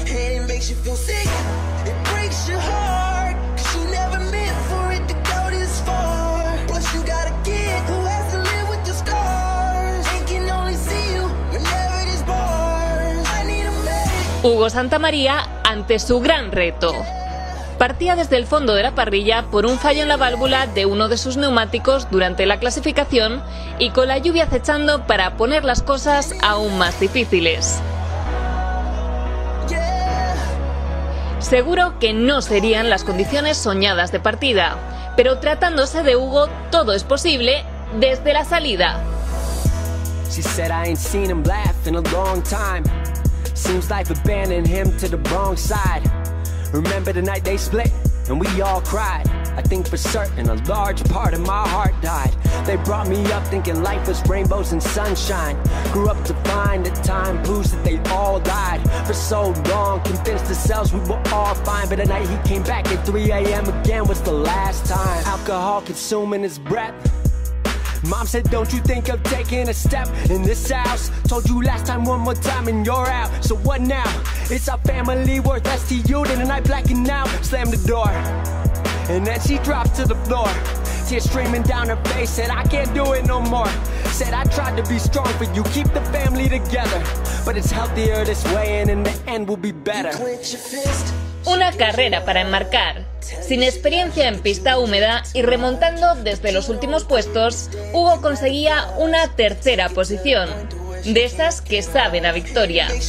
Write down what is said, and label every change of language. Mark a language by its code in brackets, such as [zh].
[en] And it makes you feel sick, it breaks your heart, 'cause you never meant for it to go this far. Plus you got a kid who has to live with your scars and can only see you whenever there's bars. I need a man. [es] Hugo Santamaría ante su gran reto. Partía desde el fondo de la parrilla por un fallo en la válvula de uno de sus neumáticos durante la clasificación y con la lluvia acechando para poner las cosas aún más difíciles. Seguro que no serían las condiciones soñadas de partida, pero tratándose de Hugo, todo es posible desde la salida. [en] She said I ain't seen him laugh in a long time. Seems like abandoning him to the wrong side. Remember the night they split and we all cried. I think for certain a large part of my heart died. They brought me up thinking life was rainbows and sunshine. Grew up to find the time proves that they all died. For so long convinced ourselves we were all fine. But the night he came back at 3 a.m. again was the last time. Alcohol consuming his breath. Mom said, don't you think of taking a step in this house? Told you last time one more time and you're out. So what now? It's our family worth less to you than a night blacking out. Slammed the door and then she dropped to the floor. Tears streaming down her face, said I can't do it no more. Said I tried to be strong for you, keep the family together. But it's healthier this way and in the end we'll be better. [es] Una carrera para enmarcar. Sin experiencia en pista húmeda y remontando desde los últimos puestos, Hugo conseguía una tercera posición, de esas que saben a victoria.